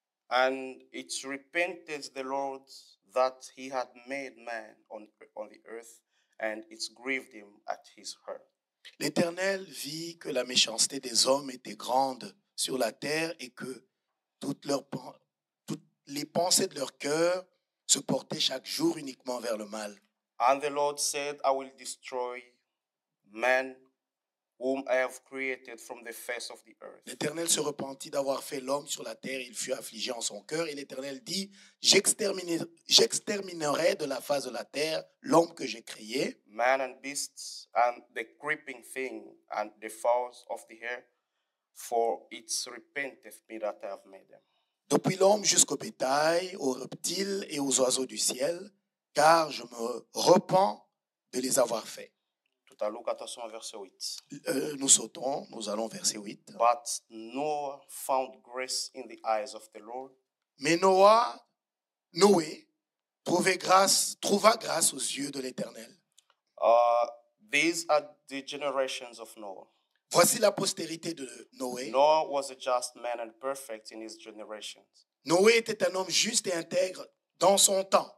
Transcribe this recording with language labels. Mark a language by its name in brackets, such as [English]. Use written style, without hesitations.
[English] And it repented the Lord that he had made man on the earth, and it grieved him at his hurt. [French] L'Éternel vit que la méchanceté des hommes était grande sur la terre et que toutes les pensées de leur cœur se portaient chaque jour uniquement vers le mal. [English] And the Lord said, I will destroy man whom I have created from the face of the earth. [French] L'Éternel se repentit d'avoir fait l'homme sur la terre, il fut affligé en son cœur, et l'Éternel dit, j'exterminerai de la face de la terre l'homme que j'ai créé. [English] Man and beasts and the creeping thing and the fowls of the air, for it repenteth me that I have made them. [French] Depuis l'homme jusqu'au bétail, aux reptiles et aux oiseaux du ciel, car je me repens de les avoir faits. Nous allons verset 8. [English] But Noah found grace in the eyes of the Lord. [French] Mais Noé, trouva grâce aux yeux de l'Éternel. [English] These are the generations of Noah. [French] Voici la postérité de Noé. [English] Noah was a just man and perfect in his generations. [French] Noé était un homme juste et intègre dans son temps.